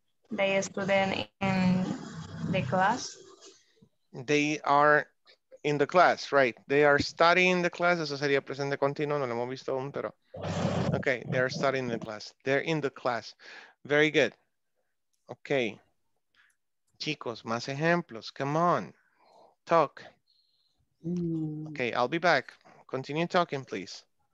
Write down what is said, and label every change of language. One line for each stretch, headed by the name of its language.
English: They student in the class. They are in the class, right? They are studying the class.
Spanish: Eso sería presente continuo. No lo hemos visto aún, pero.
English: Okay, they are studying the class. They're in the class. Very good. Okay.
Spanish: Chicos, más ejemplos.
English: Come on. Talk. Okay, I'll be back. Continue talking, please.